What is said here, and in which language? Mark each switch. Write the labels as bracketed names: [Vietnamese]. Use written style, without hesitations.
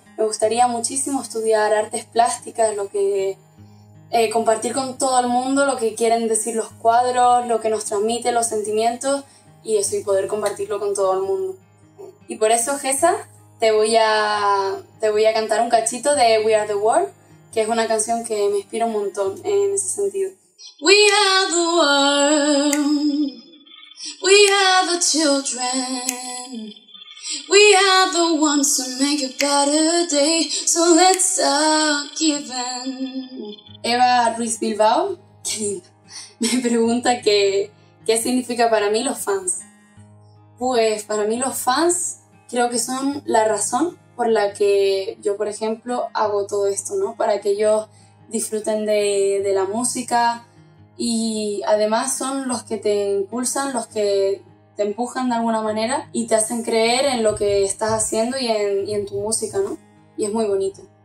[Spanish] Me gustaría muchísimo estudiar artes plásticas, lo que compartir con todo el mundo lo que quieren decir los cuadros, lo que nos transmite, los sentimientos, y eso, y poder compartirlo con todo el mundo. Y por eso, Gesa, te voy a cantar un cachito de We Are The World, que es una canción que me inspira un montón en ese sentido. [English] We are the world, we are the children, we are the ones who make a better day, so let's start giving. [Spanish] Eva Ruiz Bilbao, qué linda, me pregunta que qué significa para mí los fans. Pues para mí los fans creo que son la razón por la que yo, por ejemplo, hago todo esto, ¿no? Para que ellos disfruten de la música, y además son los que te impulsan, los que te empujan de alguna manera y te hacen creer en lo que estás haciendo y en tu música, ¿no? Y es muy bonito.